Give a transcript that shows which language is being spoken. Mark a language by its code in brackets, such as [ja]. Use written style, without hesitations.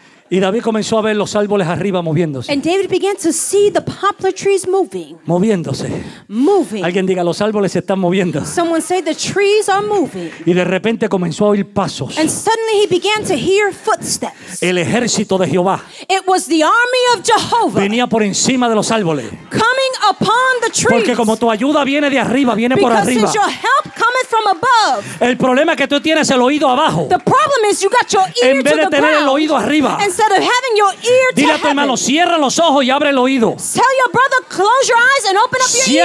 [es] Y David comenzó a ver los árboles arriba moviéndose. [en] And David began to see the poplar trees moving. [es] Moviéndose. [en] Moving. [es] Alguien diga, los árboles se están moviendo. [en] Someone say the trees are moving. [es] Y de repente comenzó a oír pasos. [en] And suddenly he began to hear footsteps. [es] El ejército de Jehová. [en] It was the army of Jehovah. [es] Venía por encima de los árboles. [en] Coming upon the trees. [es] Porque como tu ayuda viene de arriba, viene [en] Because [es] por arriba. [en] Because your help cometh from above. [es] El problema que tú tienes el oído abajo. [en] The problem is you got your ear to the ground. [es] En vez de tener el oído arriba. [en] Instead of having your ear to [es] Dile a tu hermano, [en] heaven, [es] cierra los ojos y abre el oído. [en] Tell your brother, close your eyes and open up your ears.